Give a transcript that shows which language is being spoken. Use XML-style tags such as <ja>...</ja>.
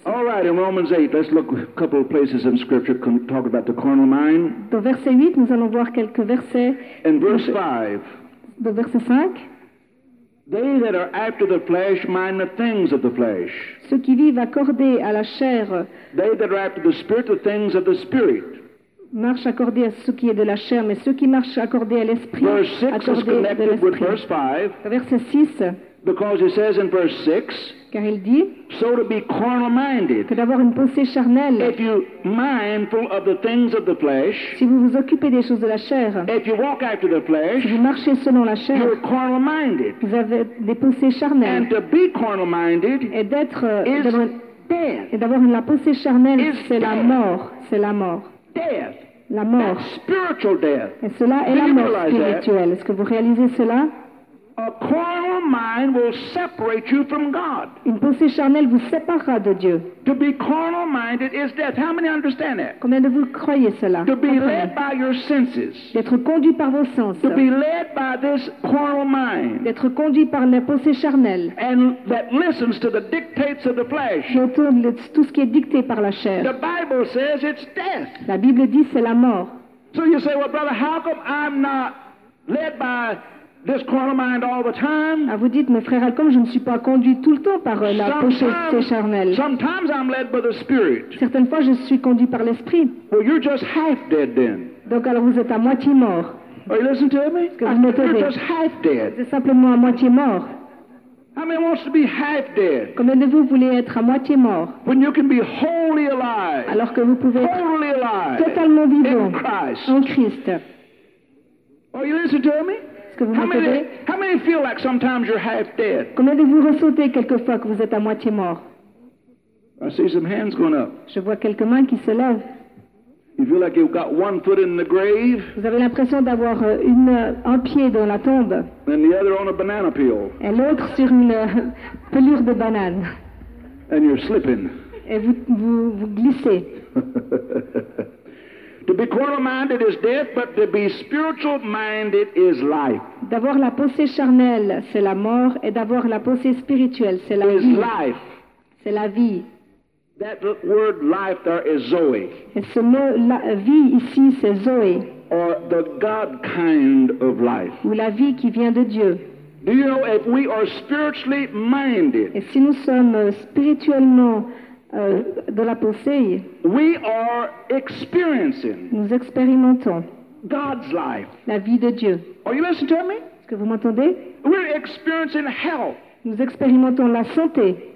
<en>All right, in Romans 8, let's look a couple of places in Scripture to talk about the carnal mind.</en> <fr>Dans verset 8, nous allons voir quelques versets.</fr> <en>In verse 5.</en> <fr>Dans verset 5.</fr> <en>They that are after the flesh mind the things of the flesh.</en> <fr>Ceux qui vivent accordés à la chair.</fr> <en>They that are after the spirit the things of the spirit.</en> <fr>Marchent accordés à ce qui est de la chair, mais ceux qui marchent accordés à l'esprit.</fr> <en>Verse 6 is connected with verse 5.</en> <fr>Verset 6.</fr> <en>Because it says in verse 6.</en> <fr>Car il dit.</fr> <en>So to be carnal minded.</en> <fr>Que d'avoir une pensée charnelle.</fr> <en>If you mindful of the things of the flesh.</en> <fr>Si vous vous occupez des choses de la chair.</fr> <en>If you walk after the flesh.</en> <fr>Si vous marchez selon la chair.</fr> <en>You're carnal minded.</en> <fr>Vous avez des pensées charnelles.</fr> <en>And to be carnal minded.</en> <fr>Et d'être.</fr> <en>Is</en> <fr>d'avoir,</fr> <en>death.</en> <fr>Et d'avoir une la pensée charnelle.</fr> <en>Is</en> <fr>c'est</fr> <en>death.</en> <fr>La mort. C'est la mort.</fr> <en>Death.</en> <fr>La mort.</fr> <en>That's spiritual death.</en> <fr>Et cela est la mort spirituelle.</fr> <en>That.</en> <fr>Est-ce que vous réalisez cela?</fr> <en>A carnal mind will separate you from God.</en> <fr>Une pensée charnelle vous séparera de Dieu.</fr> <en>To be carnal minded is death. How many understand that?</en> <fr>Combien de vous croyez cela?</fr> <en>To be led by your senses.</en> <fr>D'être conduit par vos sens.</fr> <en>To be led by this carnal mind.</en> <fr>D'être conduit par la pensée charnelle.</fr> <en>And that listens to the dictates of the flesh.</en> <fr>J'entends tout ce qui est dicté par la chair.</fr> <en>The Bible says it's death.</en> <fr>La Bible dit c'est la mort.</fr> <en>So you say, well, brother, how come I'm not led by this carnal mind all the time.</en> <fr>Ah, vous dites, mais frère, comme je ne suis pas conduit tout le temps par la pensée charnelle.</fr> <en>Sometimes I'm led by the spirit.</en> <fr>Certaines fois, je suis conduit par l'esprit.</fr> <en>Well, you're just half dead then.</en> <fr>Donc alors, vous êtes à moitié mort.</fr> <en>Are you listening to me?</en> <fr>C'est simplement à moitié mort.</fr> <en>How many wants to be half dead?</en> <fr>Combien de vous voulez être à moitié mort?</fr> <en>When you can be wholly alive.</en> <fr>Alors que vous pouvez être</fr> <en>wholly alive.</en> <fr>Totalement vivant.</fr> <en>In Christ.</en> <fr>En Christ.</fr> <en>Are you listening to me? How many feel like sometimes you're half dead?</en> <fr>Combien de vous ressentez quelquefois que vous êtes à moitié mort?</fr> <en>I see some hands going up.</en> <fr>Je vois quelques mains qui se lèvent.</fr> <en>You feel like you've got one foot in the grave.</en> <fr>Vous avez l'impression d'avoir un pied dans la tombe.</fr> <en>And the other on a banana peel.</en> <fr>Et l'autre sur une pelure de banane.</fr> <en>And you're slipping.</en> <fr>Et vous glissez.</fr> <en>To be carnal-minded is death, but to be spiritual-minded is life.</en> <fr>D'avoir la pensée charnelle, c'est la mort, et d'avoir la pensée spirituelle, c'est la vie.</fr> <en>Is life.</en> <fr>C'est la vie.</fr> <en>That word life there is Zoe.</en> <fr>Et ce mot la vie ici c'est Zoe.</fr> <en>Or the God kind of life.</en> <fr>Ou la vie qui vient de Dieu.</fr> <en>Do you know if we are spiritually minded?</en> <fr>Et si nous sommes spirituellement de la pensée.</fr> <en>We are experiencing.</en> <fr>Nous expérimentons.</fr> <en>God's life.</en> <fr>La vie de Dieu.</fr> <en>Are you listening to me?</en> <fr>Est-ce que vous m'entendez?</fr> <en>We're experiencing health.</en> <fr>Nous expérimentons la santé.</fr>